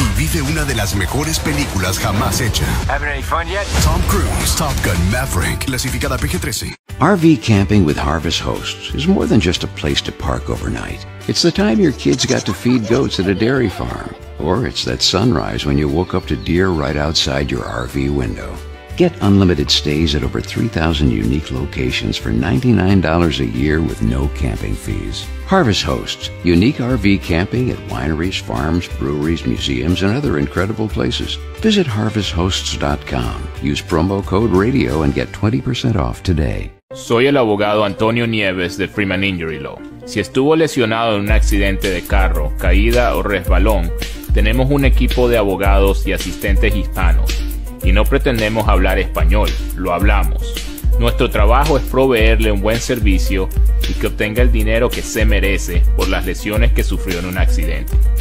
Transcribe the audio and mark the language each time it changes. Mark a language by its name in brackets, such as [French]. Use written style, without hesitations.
[Spanish] Y vive una de las mejores películas jamás hecha. [English] Having any fun yet? [Spanish] Tom Cruise. Top Gun Maverick. Clasificada PG-13. [English] RV camping with Harvest Hosts is more than just a place to park overnight. It's the time your kids got to feed goats at a dairy farm. Or it's that sunrise when you woke up to deer right outside your RV window. Get unlimited stays at over 3,000 unique locations for $99 a year with no camping fees. Harvest Hosts, unique RV camping at wineries, farms, breweries, museums, and other incredible places. Visit harvesthosts.com. Use promo code RADIO and get 20% off today. [Spanish] Soy el abogado Antonio Nieves de Freeman Injury Law. Si estuvo lesionado en un accidente de carro, caída o resbalón, tenemos un equipo de abogados y asistentes hispanos. Y no pretendemos hablar español, lo hablamos. Nuestro trabajo es proveerle un buen servicio y que obtenga el dinero que se merece por las lesiones que sufrió en un accidente.